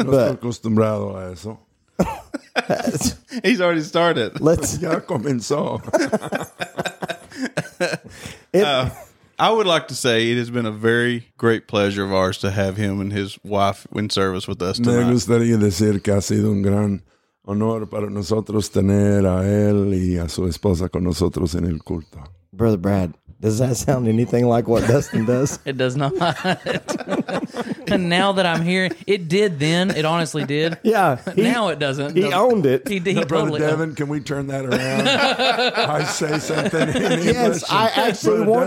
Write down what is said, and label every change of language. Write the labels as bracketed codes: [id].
[es] Acostumbrado a eso. [en] He's already started. Let's [es] ya comenzó. [en] I would like to say it has been a very great pleasure of ours to have him and his wife in service with us tonight. [es] Me gustaría decir que ha sido un gran honor para nosotros tener a él y a su esposa con nosotros en el culto. [en] Brother Brad, does that sound anything like what Dustin does? It does not. And now that I'm here, it did then. It honestly did. Yeah. Now it doesn't. He owned it. He did. Brother Devin, can we turn that around? I say something in English. Yes, I actually want.